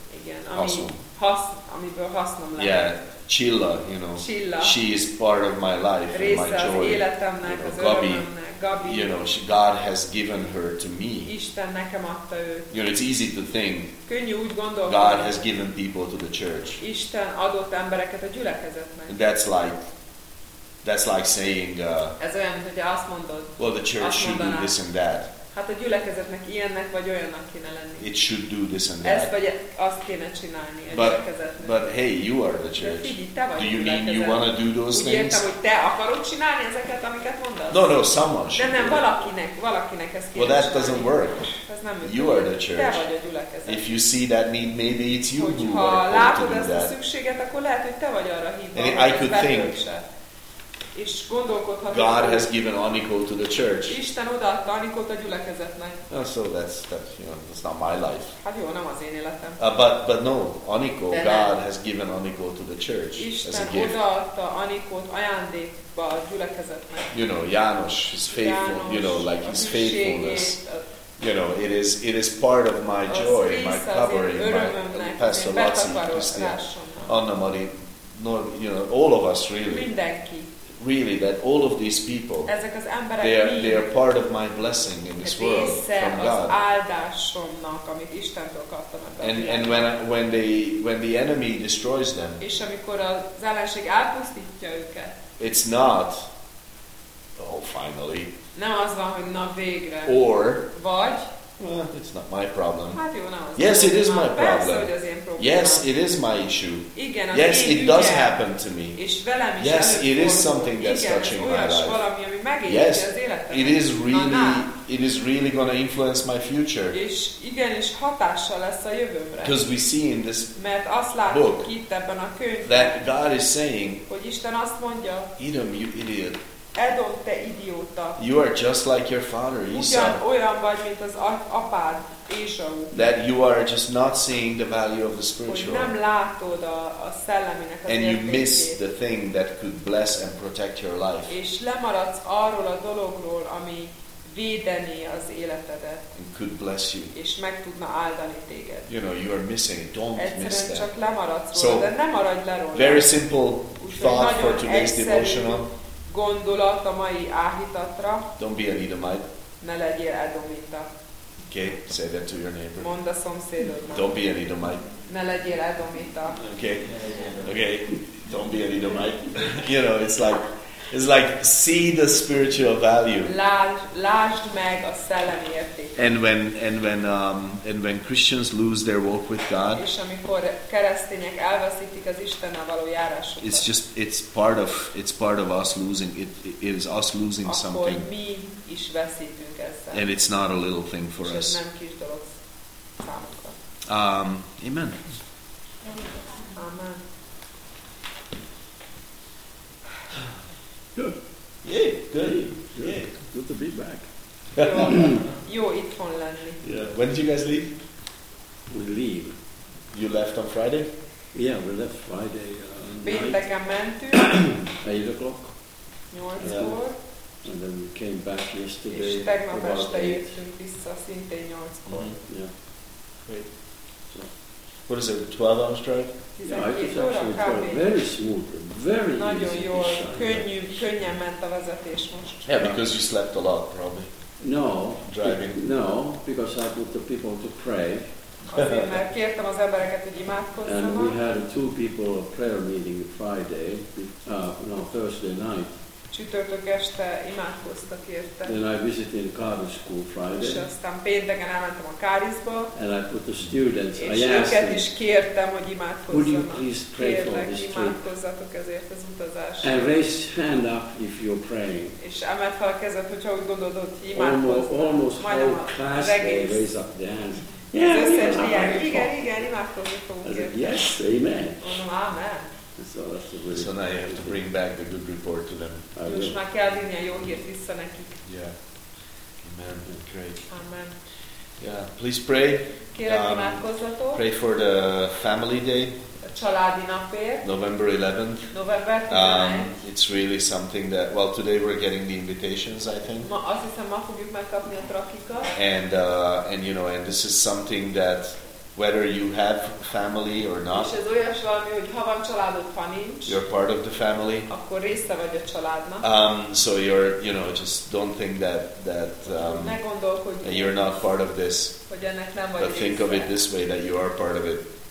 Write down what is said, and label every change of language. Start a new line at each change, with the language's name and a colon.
Hungarian: Igen, amiből hasznom lehet.
English: Yeah, Chilla, you know, Chilla. She is part of my life
Hungarian: része
English: and my joy.
Hungarian: Része az életemnek,
English: you know,
Hungarian: az örömömnek, Gabi.
English: You know, God has given her to me.
Hungarian: Isten nekem adta őt.
English: You know, it's easy to think.
Hungarian: Könnyű úgy gondolni.
English: God has given people to the church.
Hungarian: Isten adott embereket a gyülekezetnek.
English: That's like saying,
Hungarian: ez olyan, hogy azt mondod,
English: well, the church
Hungarian: azt
English: should
Hungarian: mondaná,
English: do this and that.
Hungarian: Hát a gyülekezetnek ilyennek vagy olyannak kéne lenni.
English: It should do this and that.
Hungarian: Ezt vagy azt kéne csinálni a gyülekezetnek.
English: But hey, you are the church.
Hungarian: Figyelj, te vagy
English: do you mean you want to do those
Hungarian: úgy
English: things?
Hungarian: Értem, hogy te akarod csinálni ezeket, amiket mondasz?
English: No, someone should.
Hungarian: De nem, valakinek ezt kéne.
English: Well, that doesn't work.
Hungarian: Ez nem működik.
English: You are the church.
Hungarian: Te vagy a gyülekezet.
English: If you see that need, maybe it's you who are called to do that.
Hungarian: Ha látod ezt a szükséget, akkor lehet, hogy te vagy arra hívva.
English: And I could think.
Hungarian: És
English: God has given Aniko to the church.
Hungarian: Isten odaadta Anikót a gyülekezetnek.
English: So that's you know, that's not my life.
Hungarian: Hát jó, nem az én életem.
English: But no, Aniko, God has given Aniko to the church.
Hungarian: Isten odaadta Anikót ajándékba a gyülekezetnek.
English: You know, János is faithful. János, you know, like his faithfulness. You know, it is part of my joy, my covering, my pastoralism. Anna Maria, no, you know, all of us really.
Hungarian: Mindenki.
English: Really, that all of these people,
Hungarian: ezek az emberek,
English: they are part of my blessing in this world from God.
Hungarian: Áldásomnak, amit Istentől kaptam.
English: And when the enemy destroys them,
Hungarian: és amikor az ellenség elpusztítja őket,
English: it's not, oh, finally.
Hungarian: Nem az van, hogy na végre.
English: Or,
Hungarian: vagy,
English: Well, it's not my problem.
Hungarian: Hát jó, nem az.
English: Yes, it is my problem.
Hungarian: Persze, hogy az én problémám.
English: Yes, it is my issue.
Hungarian: Igen,
English: yes, it does happen to me.
Hungarian: És velem is.
English: Yes, it is something that's touching my life.
Hungarian: Valami, ami megérinti az életem.
English: Yes, it is really going to influence my future.
Hungarian: És igen, és hatással lesz a jövőmre.
English: Because we see in this
Hungarian: mert azt látjuk itt ebben a könyvben,
English: that God is saying,
Hungarian: hogy Isten azt mondja,
English: Edom, you idiot.
Hungarian: Edom, te idióta.
English: You are just like your father, Esau.
Hungarian: Ugyan olyan vagy, mint az apád, Esau.
English: That you are just not seeing the value of the spiritual.
Hungarian: Hogy nem látod a szelleminek az értékét.
English: And you miss the thing that could bless and protect your life.
Hungarian: És lemaradsz arról a dologról, ami védeni az életedet.
English: And could bless you.
Hungarian: És meg tudna áldani téged.
English: You know, you are missing. Don't
Hungarian: egyszerűen
English: miss that.
Hungarian: Egyszerűen csak lemaradsz róla, so, de ne maradj le róla.
English: Very simple thought for today's devotional.
Hungarian: Gondolat a mai áhítatra.
English: Don't be an Edomite.
Hungarian: Ne legyél Edomita.
English: Okay, say that to your neighbor.
Hungarian: Mondd a szomszédodnak.
English: Don't be an Edomite.
Hungarian: Ne legyél Edomita.
English: Okay. Don't be an Edomite. You know, it's like see the spiritual value.
Hungarian: Lásd meg a szellemi értéket.
English: And when Christians lose their walk with God.
Hungarian: És amikor keresztények elveszítik az Istennel való járásukat.
English: It's part of us losing it. It is us losing
Hungarian: akkor
English: something.
Hungarian: Mi is veszítünk ezzel.
English: And it's not a little thing for
Hungarian: és
English: us.
Hungarian: Nem kis dolog számunkra. Amen. Amen.
English: Good. Yeah, good. Yeah, good to be back.
Hungarian: Jó itthon lenni.
English: Yeah. When did you guys leave? We leave. You left on Friday? Yeah, we left Friday
Hungarian: pénteken mentünk.
English: 8 o'clock.
Hungarian: 8-kor.
English: And then we came back yesterday.
Hungarian: És tegnap este jöttünk vissza, szintén 8-kor.
English: Mm-hmm. Yeah. Great. So. What is it, a 12-hour drive? Yeah, it's actually 12. Very smooth, very
Hungarian: nagyon
English: easy.
Hungarian: Nagyon jól, könnyen ment a vezetés most.
English: Yeah, because you slept a lot, probably. No. Driving. No, because I put the people to pray.
Hungarian: Azért, mert kértem az embereket, hogy imádkozzanak.
English: And we had two people a prayer meeting Friday, Thursday night.
Hungarian: Csütörtök este imádkoztak érte.
English: And I visited Kári School Friday.
Hungarian: És aztán pénteken elmentem a Káriszba.
English: And I put the students.
Hungarian: És őket is kértem, hogy imádkozzanak.
English: Would you please pray for this trip?
Hungarian: Kérlek, imádkozzatok ezért az utazásért.
English: And raise hand up if you're praying.
Hungarian: És emeld fel a kezed, hogyha úgy gondolod, hogy imádkozzanak.
English: Almost whole class day, raise up the hand.
Hungarian: Yeah, az összes diák, igen, imádkozni fogunk érte. Yes, amen. Mondom, amen.
English: So now you have to bring back the good report to them.
Hungarian: Most már kell vinni a jó hírt vissza nekik.
English: Yeah. Amen. Great. Amen. Yeah. Please pray.
Hungarian: Kérlek, imádkozzatok.
English: Pray for the family day.
Hungarian: A családi napért.
English: November 11th. November 11th. It's really something that, today we're getting the invitations, I think.
Hungarian: Ma, azt hiszem, ma fogjuk megkapni a trakikat.
English: And this is something that whether you have family or not,
Hungarian: és ez olyas valami, hogy ha van családod, ha nincs,
English: you're part of the family,
Hungarian: akkor része vagy a családnak.
English: So you're, you know, just don't think that
Hungarian: ne gondolkodj,
English: and you're not part of this,
Hungarian: hogy ennek nem vagy
English: but
Hungarian: része.
English: Think of it this way, that you are part of it.